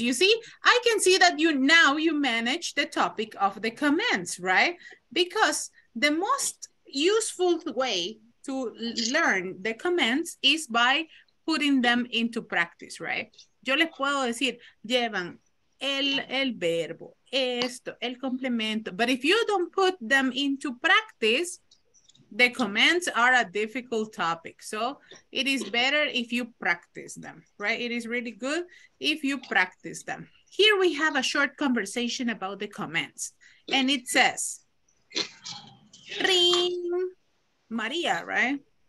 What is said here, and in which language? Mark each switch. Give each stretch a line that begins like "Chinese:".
English: You see, I can see that you now you manage the topic of the comments, right? Because the most useful way to learn the comments is by putting them into practice, right?
Spanish: Yo les puedo decir, llevan el verbo, esto, el complemento.
English: But if you don't put them into practice, the comments are a difficult topic. So it is better if you practice them, right? It is really good if you practice them. Here we have a short conversation about the comments. And it says, ring, Maria, right?